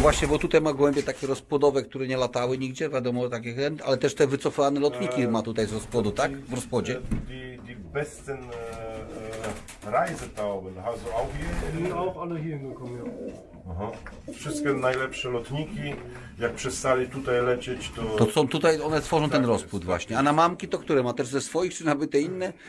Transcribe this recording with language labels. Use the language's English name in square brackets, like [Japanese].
[Polish] właśnie, bo tutaj ma gołębie takie rozpłodowe, które nie latały nigdzie, wiadomo, takich, ale też te wycofane lotniki ma tutaj z rozpłodu, tak? W rozpłodzie. [German] Die besten Reisetauben, also auch hier. Die sind auch alle hier gekommen, ja. [Polish] Wszystkie najlepsze lotniki, jak przestali tutaj lecieć, to... To są tutaj, one tworzą ten rozpłód właśnie. A na mamki to które ma? Też ze swoich, czy nabyte inne?